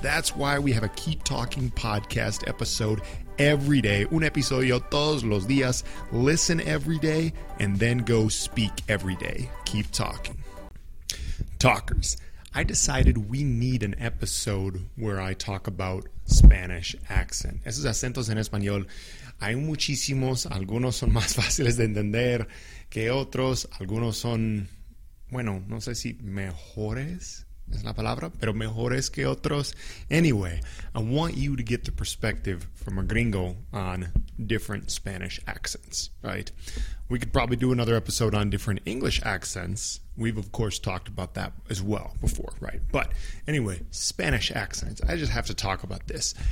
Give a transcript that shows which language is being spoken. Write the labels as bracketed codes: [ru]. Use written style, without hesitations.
[en] That's why we have a Keep Talking Podcast episode every day. [es] Un episodio todos los días. [en] Listen every day and then go speak every day. Keep talking. Talkers, I decided we need an episode where I talk about Spanish accent. [es] Esos acentos en español, hay muchísimos, algunos son más fáciles de entender que otros, algunos son, bueno, no sé si mejores es la palabra, pero mejores que otros. [en] Anyway, I want you to get the perspective from a gringo on different Spanish accents, right? We could probably do another episode on different English accents. We've, of course, talked about that as well before, right? But anyway, Spanish accents. I just have to talk about this.